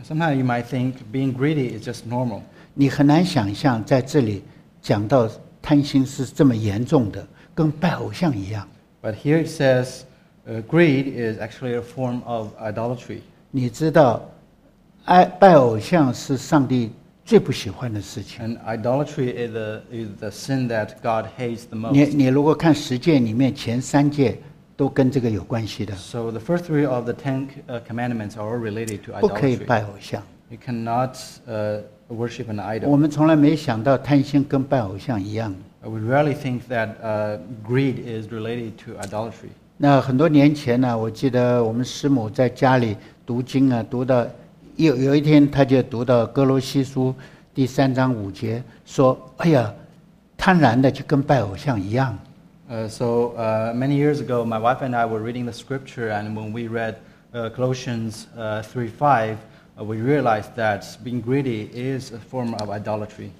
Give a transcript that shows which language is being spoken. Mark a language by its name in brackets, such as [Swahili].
[English] Sometimes you might think being greedy is just normal. [Chinese] 你很难想象在这里讲到贪心是这么严重的，跟拜偶像一样。 [English] But here it says, greed is actually a form of idolatry. [Chinese] 你知道，拜偶像是上帝最不喜欢的事情。 [English] And idolatry is the sin that God hates the most. [Chinese] 你如果看十诫里面前三诫都跟这个有关系的。 [English] So the first three of the Ten Commandments are all related to idolatry. [Chinese] 不可以拜偶像。 [English] You cannot worship an idol. [Chinese] 我们从来没想到贪心跟拜偶像一样。 [English] We rarely think that greed is related to idolatry. [Chinese] 那很多年前呢，我记得我们师母在家里读经啊，读到有一天，他就读到哥罗西书第三章五节，说：“哎呀，贪婪的就跟拜偶像一样。” [English] Many years ago, my wife and I were reading the scripture, and when we read Colossians 3:5, we realized that being greedy is a form of idolatry.